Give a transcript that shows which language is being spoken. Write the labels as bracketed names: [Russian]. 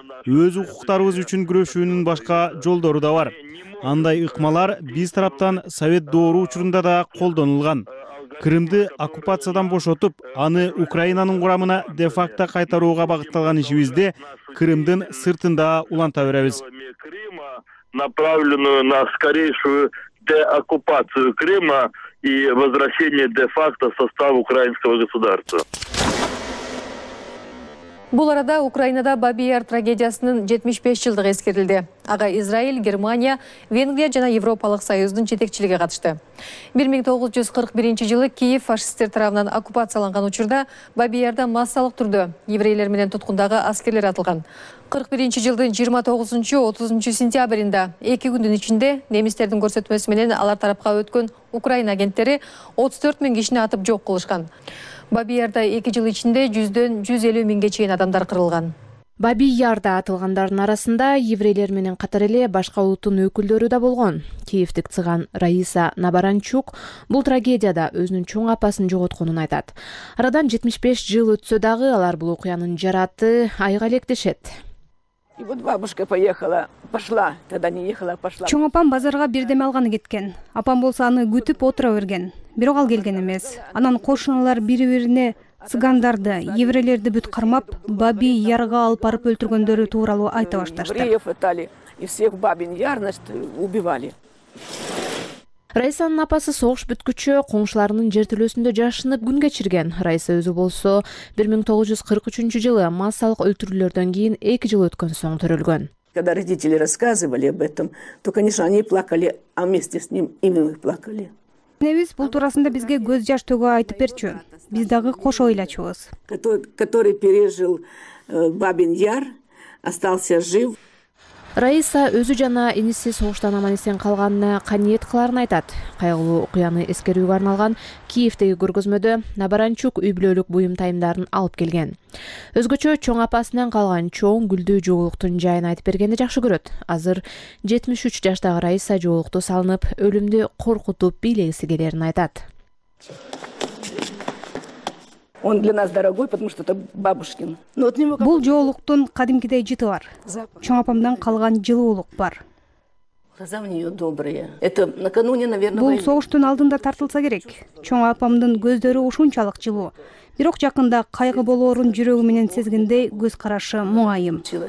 [Kyrgyz] Өз укуктарыбыз үчүн күрөшүүнүн башка жолдору да бар. Андай ыкмалар биз тараптан совет доору учурунда да колдонулган. Крымды оккупациядан бошотуп, аны Украинанын курамына де-факто кайтарууга багытталган ишибизди Крымдын сыртында уланта беребиз. [Russian] Направленную на скорейшую деоккупацию Крыма и возвращение де-факто состава украинского государства. [Kyrgyz] Бул арада Украинада Бабий Яр трагедиясынын 75 жылдыгы эскерилди. Ага Израиль, Германия, Венгрия жана Европалык Союздун жетекчилиги катышты. 1941 жылы Киев фашисттер тарабынан оккупацияланган учурда Бабий Ярда массалык түрдө еврейлер менен туткундагы аскерлер атылган. 41 жылдын 29-30 сентябрында 2 күндүн ичинде немистердин көрсөтмөсү менен алар тарапка өткөн Украина агенттери 34 000 кишини атып жок кылышкан. Бабий Ярда 2 жыл ичинде 100-150 000 чейин адамдар кырылган. Бабий Ярда атылгандардын арасында еврейлер менен катар эле башка улуттун өкүлдөрү да болгон. Киевтик цыган Раиса Набаранчук бул трагедияда өзүнүн чоң апасын жоготконун айтат. Арадан 75 жыл өтсө дагы алар бул окуянын жараты айга электешет. [Russian] И вот бабушка поехала, пошла, тогда не ехала, пошла. [Kyrgyz] Чоң апам базарга бирдеме алганы кеткен. Апам болсо аны күтүп отура берген. Бирок ал келген эмес. Анан кошуналар бири-бирине цыгандарды, еврейлерди бүт кармап, Бабий Ярга алып барып өлтүргөндөрү тууралуу айта башташты. [Russian] Евреев атали, и всех Бабий Ярна убивали. [Kyrgyz] Раисанын апасы согуш бүткүчө коңшуларынын жер төлөсүндө жашынып күн кечирген. Раиса өзү болсо 1943 жылы массалык өлтүрүүлөрдөн кийин 2 жыл өткөн соң төрөлгөн. [Russian] Когда родители рассказывали об этом, то, конечно, они плакали, а вместе с ним и мы плакали. [Kyrgyz] Энебиз бул туурасында бизге көз жаш төгө айтып берчү. Биз дагы кош ойлочубуз. [Russian] Который пережил Бабий Яр, остался жив. [Kyrgyz] Раиса өзү жана иниси согуштан аман эсен калганына каниет кыларын айтат. Кайгылуу окуяны эскерүүгө арналган Киевдеги көргөзмөдө Набаранчук үй бүлөлүк буюм тайымдарын алып келген. Өзгөчө чоң апасынан калган чоң гүлдүү жоолуктун жайын айтып бергенди жакшы көрөт. Азыр 73 жаштагы Раиса жоолукту салынып, өлүмдү коркутуп бийлегиси келерин айтат. [Russian] Он для нас дорогой, потому что это бабушкин. Но от него как [Kyrgyz] бул жоолуктун кадимкидей жыты бар. Чоң апамдан калган жылуулук бар. [Russian] Глаза у неё добрые. Это накануне, наверное, [Kyrgyz] бул согуштун алдында тартылса керек. Чоң апамдын көздөрү ушунчалык жылуу. Бирок жакында кайгы болоорун жүрөгү менен сезгендей көз карашы муайым.